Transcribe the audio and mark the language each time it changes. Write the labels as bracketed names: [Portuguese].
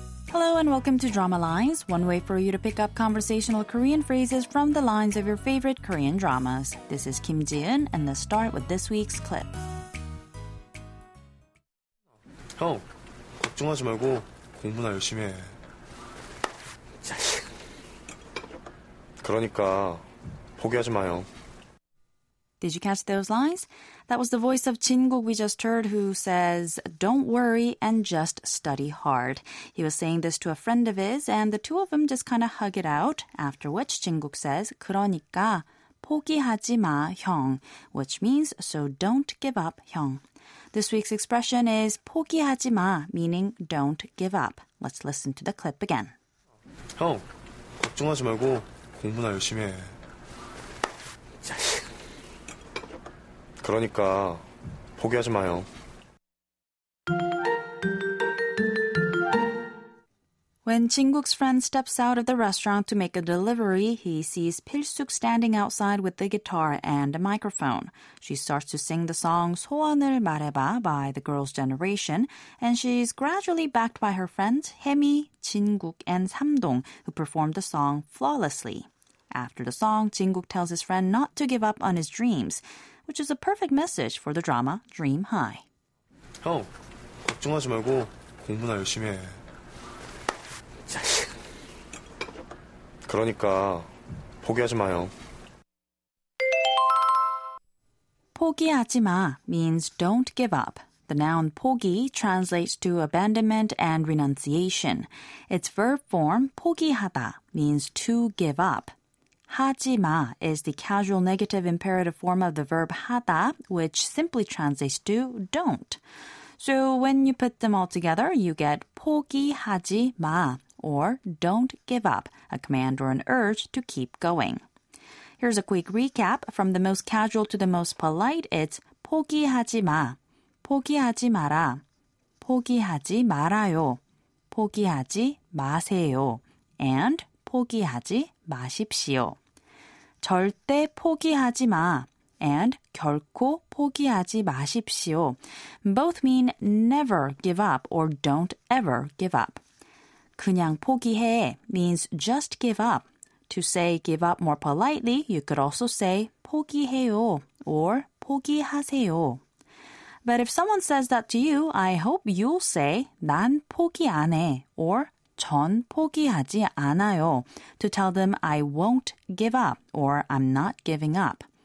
[English] Hello and welcome to Drama Lines, one way for you to pick up conversational Korean phrases from the lines of your favorite Korean dramas. This is Kim Ji-eun, and let's start with this week's clip. [Korean] 형, 걱정하지 말고 공부나 열심히 해. 그러니까 포기하지 마, 형. [English] Did you catch those lines? That was the voice of Jin-guk we just heard, who says, "Don't worry and just study hard." He was saying this to a friend of his, and the two of them just kind of hug it out, after which Jin-guk says, [Korean] 그러니까 포기하지 마, 형, [English] which means, so don't give up, 형. This week's expression is 포기하지 마, meaning don't give up. Let's listen to the clip again. [Korean] 형, 걱정하지 말고 공부나 열심히 해. 그러니까 포기하지 마요. [English] When Jin-guk's friend steps out of the restaurant to make a delivery, he sees Pil-suk standing outside with the guitar and a microphone. She starts to sing the song 소원을 말해봐 by the Girls' Generation, and she's gradually backed by her friends Haemi, Jin-guk, and Sam-dong, who performed the song flawlessly. After the song, Jin-guk tells his friend not to give up on his dreams, which is a perfect message for the drama Dream High. [Korean] 형, 걱정하지 말고 공부나 열심히 해. 그러니까 포기하지 마요. [English] 포기하지 마 means don't give up. The noun 포기 translates to abandonment and renunciation. Its verb form 포기하다 means to give up. 하지 마 is the casual negative imperative form of the verb 하다, which simply translates to don't. So when you put them all together, you get 포기하지 마, or don't give up, a command or an urge to keep going. Here's a quick recap. From the most casual to the most polite, it's 포기하지 마, 포기하지 마라, 포기하지 말아요, 포기하지 마세요, and 포기하지 마십시오. [Korean] 절대 포기하지 마 and 결코 포기하지 마십시오. [English] Both mean never give up or don't ever give up. 그냥 포기해 means just give up. To say give up more politely, you could also say 포기해요 or 포기하세요. But if someone says that to you, I hope you'll say [Korean] 난 포기 안 해 [English] or [Korean] 전 포기하지 않아요, [English] to tell them I won't give up or I'm not giving up.